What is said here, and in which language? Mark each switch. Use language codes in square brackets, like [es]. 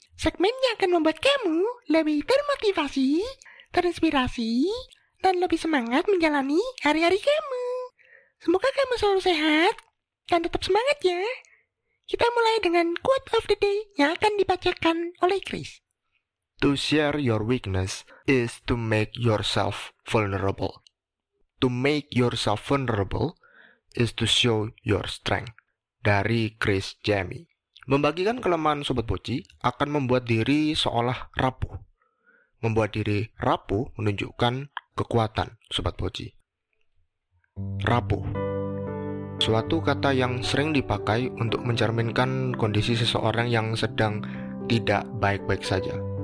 [id] Segmen yang akan membuat kamu lebih termotivasi, terinspirasi, dan lebih semangat menjalani hari-hari kamu. Semoga kamu selalu sehat dan tetap semangat ya. Kita mulai dengan [en] quote of the day [id] yang akan dibacakan oleh Chris. [en] To share your weakness is to make yourself vulnerable. To make yourself vulnerable is to show your strength. [id] Dari Chris Jamie. Membagikan kelemahan Sobat Poci akan membuat diri seolah rapuh. Membuat diri rapuh menunjukkan kekuatan Sobat Poci. Rapuh, suatu kata yang sering dipakai untuk mencerminkan kondisi seseorang yang sedang tidak baik-baik saja.